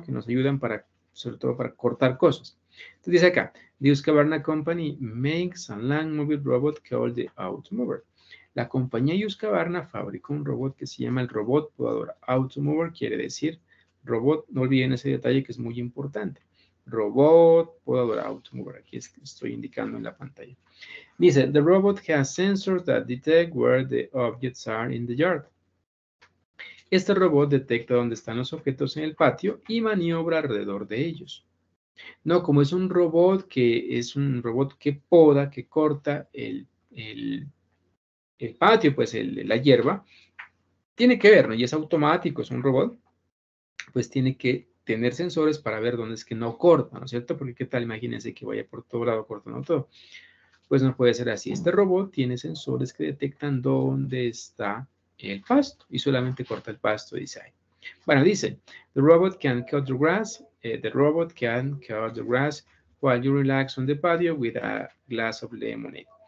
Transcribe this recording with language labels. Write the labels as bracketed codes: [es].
[es] Que nos ayudan para, sobre todo para cortar cosas. Entonces dice acá, [en] The Husqvarna Company makes a land mobile robot called the Automover. [es] La compañía Husqvarna fabricó un robot que se llama el robot podador. Automover quiere decir robot, no olviden ese detalle que es muy importante. Robot podador, Automover, aquí estoy indicando en la pantalla. [en] Dice, the robot has sensors that detect where the objects are in the yard. [es] Este robot detecta dónde están los objetos en el patio y maniobra alrededor de ellos. No, como es un robot que es un robot que poda, que corta el patio, pues la hierba, tiene que ver, ¿no? Y es automático, es un robot, pues tiene que tener sensores para ver dónde es que no corta, ¿no es cierto? Porque qué tal, imagínense que vaya por todo lado cortando todo. Pues no puede ser así. Este robot tiene sensores que detectan dónde está el pasto y solamente corta el pasto, dice ahí. Bueno, dice, [en] the robot can cut the grass, while you relax on the patio with a glass of lemonade.